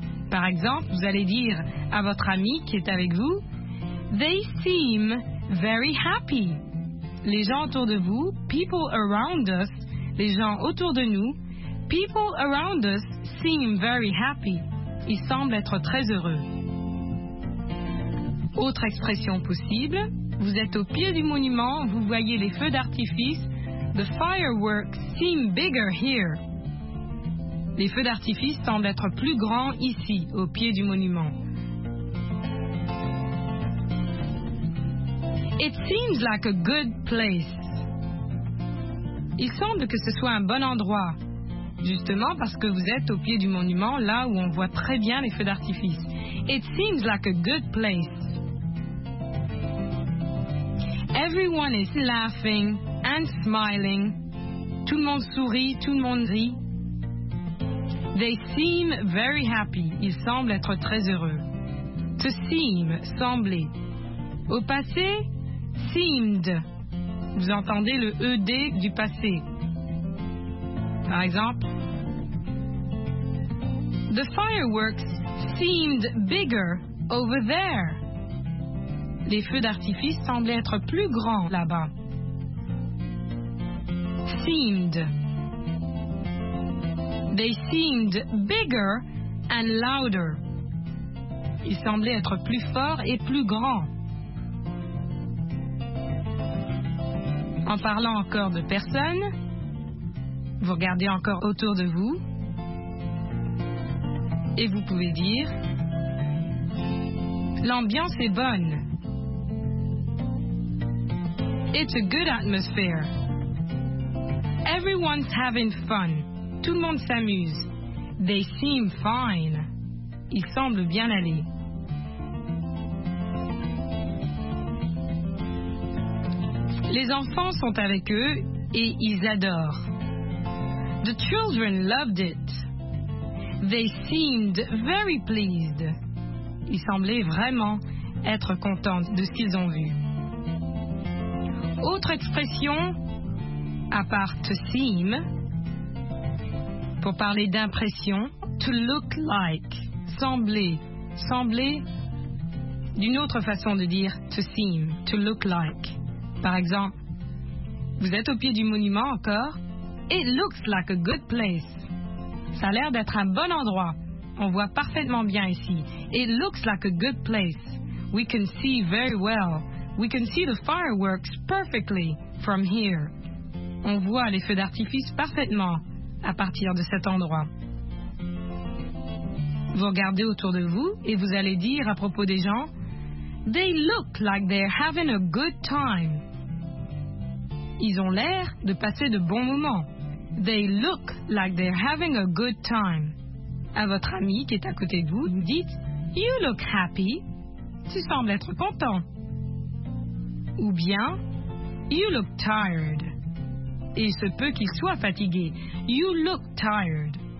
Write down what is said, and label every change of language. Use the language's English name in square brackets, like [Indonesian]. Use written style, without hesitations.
[French] Par exemple, vous allez dire à votre ami qui est avec vous, « [English] They seem very happy. [French] » Les gens autour de vous, « [English] People around us [French] », les gens autour de nous, « [English] People around us seem very happy. [French] » Ils semblent être très heureux. Autre expression possible, vous êtes au pied du monument, vous voyez les feux d'artifice. [English] The fireworks seem bigger here. [French] Les feux d'artifice semblent être plus grands ici, au pied du monument. [English] It seems like a good place. [French] Il semble que ce soit un bon endroit, justement parce que vous êtes au pied du monument, là où on voit très bien les feux d'artifice. [English] It seems like a good place. Everyone is laughing and smiling. [French] Tout le monde sourit, tout le monde rit. [English] They seem very happy. [French] Ils semblent être très heureux. [English] To seem, [French] sembler. Au passé, seemed. Vous entendez le ED du passé. Par exemple, [English] the fireworks seemed bigger over there. [French] Les feux d'artifice semblaient être plus grands là-bas. [English] Seemed. They seemed bigger and louder. [French] Ils semblaient être plus forts et plus grands. En parlant encore de personnes, vous regardez encore autour de vous et vous pouvez dire l'ambiance est bonne. [English] It's a good atmosphere. Everyone's having fun. [French] Tout le monde s'amuse. [English] They seem fine. [French] Ils semblent bien aller. Les enfants sont avec eux et ils adorent. [English] The children loved it. They seemed very pleased. [French] Ils semblaient vraiment être contents de ce qu'ils ont vu. Autre expression, à part [English] to seem, [French] pour parler d'impression, [English] to look like, [French] sembler, sembler, d'une autre façon de dire to seem, to look like. Par exemple, vous êtes au pied du monument encore, [English] it looks like a good place. [French] Ça a l'air d'être un bon endroit, on voit parfaitement bien ici. [English] It looks like a good place, we can see very well. We can see the fireworks perfectly from here. [French] On voit les feux d'artifice parfaitement à partir de cet endroit. Vous regardez autour de vous et vous allez dire à propos des gens, [English] they look like they're having a good time. [French] Ils ont l'air de passer de bons moments. [English] They look like they're having a good time. [French] À votre ami qui est à côté de vous, vous dites, [English] you look happy. [French] Tu sembles être content. Ou bien, [English] you look tired. [French] Il se peut qu'il soit fatigué. [English] You look tired.